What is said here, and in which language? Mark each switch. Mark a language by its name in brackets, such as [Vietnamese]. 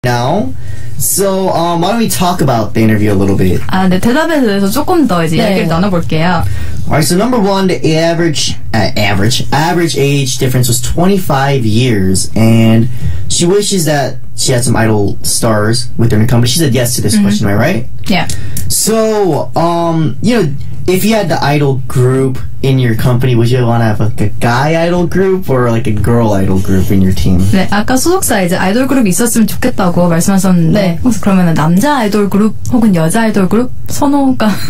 [English] Now, so why don't we talk about the interview a little bit? [Korean] 아, 네, 대답에 대해서 조금 더 이제 얘기를 나눠볼게요. [English] Alright, so number one, the average age difference was 25 years, and she wishes that she had some idol stars with her in the company. She said yes to this question, am I right? Yeah. So, you know, if you had the idol group in your company, would you want to have like a guy idol group or like a girl idol group in your team? [Korean] 네, 아까 소속사 이제 아이돌 그룹 있었으면 좋겠다고 말씀하셨는데 네. 혹시 그러면 남자 아이돌 그룹 혹은 여자 아이돌 그룹 선호가